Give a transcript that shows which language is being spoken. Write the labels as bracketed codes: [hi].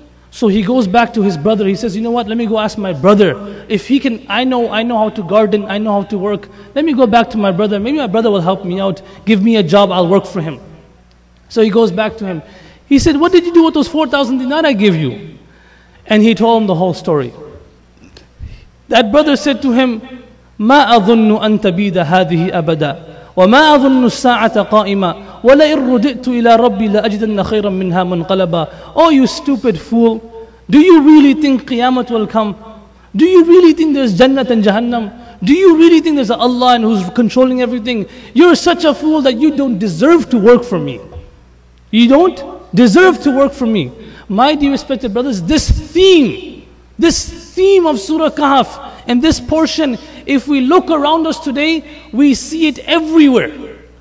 [en] So he goes back to his brother. He says, you know what, let me go ask my brother. If he can, I know how to garden, I know how to work. Let me go back to my brother. Maybe my brother will help me out. Give me a job, I'll work for him. So he goes back to him. He said, what did you do with those 4,000 dinar I gave you? And he told him the whole story. That brother said to him, [ar] مَا أَظُنُّ أَن تَبِيدَ هَذِهِ أَبَدًا وَمَا أَظُنُّ السَّاعَةَ قَائِمًا وَلَئِن رُدِئْتُ إِلَىٰ رَبِّي لَأَجِدَنَّ خَيْرًا مِّنْهَا مُنْقَلَبًا. [en] Oh, you stupid fool. Do you really think Qiyamah will come? Do you really think there's Jannat and Jahannam? Do you really think there's Allah and who's controlling everything? You're such a fool that you don't deserve to work for me. You don't deserve to work for me. My dear respected brothers, this theme of Surah Kahf and this portion, if we look around us today, we see it everywhere.